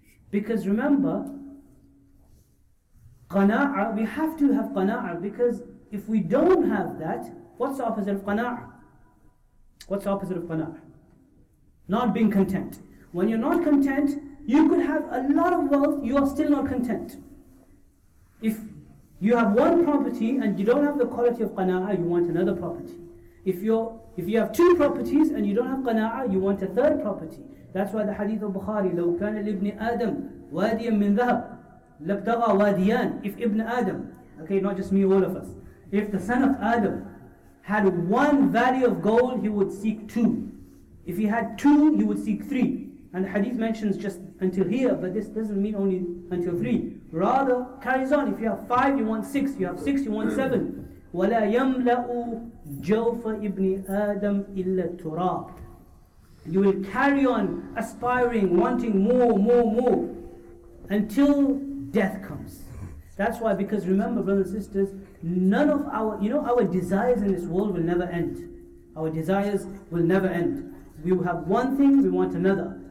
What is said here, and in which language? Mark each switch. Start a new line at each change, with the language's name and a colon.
English: Because remember, qana'ah, we have to have qana'ah, because if we don't have that, what's the opposite of qana'ah? What's the opposite of qana'ah? Not being content. When you're not content, you could have a lot of wealth, you are still not content. If You have one property and you don't have the quality of qana'ah, you want another property. If you have two properties and you don't have qana'ah, you want a third property. That's why the hadith of Bukhari,
Arabic: لو كان لابن آدم واديا من ذهب لابتغى واديان.
English: If Ibn Adam, okay, not just me, all of us, if the son of Adam had one valley of gold, he would seek two. If he had two, he would seek three. And the hadith mentions just until here, but this doesn't mean only until three. Rather, carries on. If you have five, you want six. If you have six, you want seven.
Arabic: ولا يملأ جوف ابن آدم إلا التراب.
English: You will carry on aspiring, wanting more, more, more, until death comes. That's why, because remember, brothers and sisters, none of our, you know, our desires in this world will never end. Our desires will never end. We will have one thing, we want another.